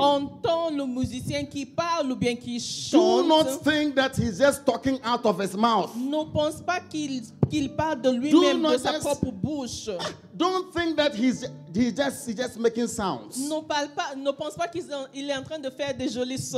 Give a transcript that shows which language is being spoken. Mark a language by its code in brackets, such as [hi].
[fr] on entend le musicien qui parle ou bien qui chante, [en] do not think that he's just talking out of his mouth. [fr] Ne pense pas qu'il parle de lui-même de sa propre bouche. [en] Don't think that he's just making sounds. [fr] Ne pense pas qu'il est en train de faire des jolis sons.